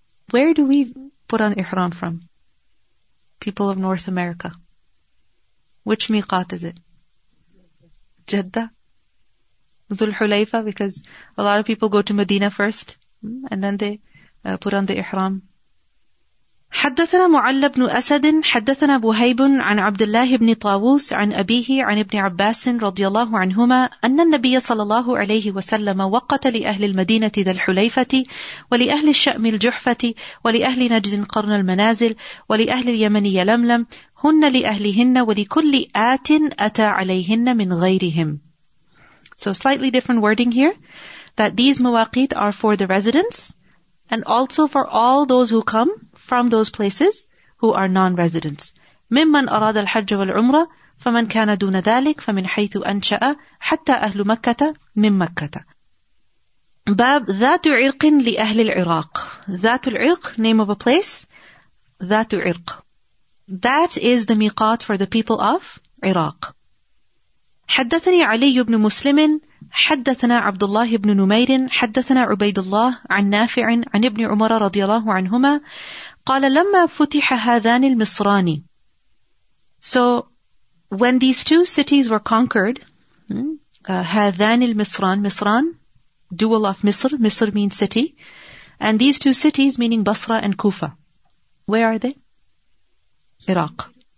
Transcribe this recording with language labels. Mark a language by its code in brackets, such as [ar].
[en] Where do we put on ihram from? People of North America. Which miqat is it? Jeddah? Dhul Hulayfa? Because a lot of people go to Medina first and then they put on the ihram. [ar] حدثنا معل بن أسد حدثنا بوهيب عن عبد الله بن طاووس عن أبيه عن ابن عباس رضي الله عنهما أن النبي صلى الله عليه وسلم وقت لأهل المدينة ذا الحليفة ولأهل الشأم الجحفة ولأهل نجد قرن المنازل ولأهل اليمن يلملم هن لأهلهن ولكل آت أتى عليهن من غيرهم. [en] So slightly different wording here, that these mawaqid are for the residents and also for all those who come from those places who are non-residents. [ar] مِمَّنْ أَرَادَ الْحَجَّ وَالْعُمْرَةِ فَمَنْ كَانَ دُونَ ذَلِكَ فَمِنْ حَيْثُ أَنْشَأَ حَتَّى أَهْلُ مَكَّةَ مِنْ مَكَّةَ. باب ذات عرق لأهل العراق. ذات العرق, [en] name of a place. ذات عرق, that is the miqat for the people of Iraq. [ar] حدثني علي بن مسلم حدثنا عبد الله بن نمير حدثنا عبيد الله عن نافع عن ابن عمر رضي الله عنهما قال لما فتح هذان المصران. [en] So when these two cities were conquered, [ar] هذان المصران, مصران, [en] dual of مصر, مصر means city, and these two cities meaning Basra and Kufa, where are they? Iraq.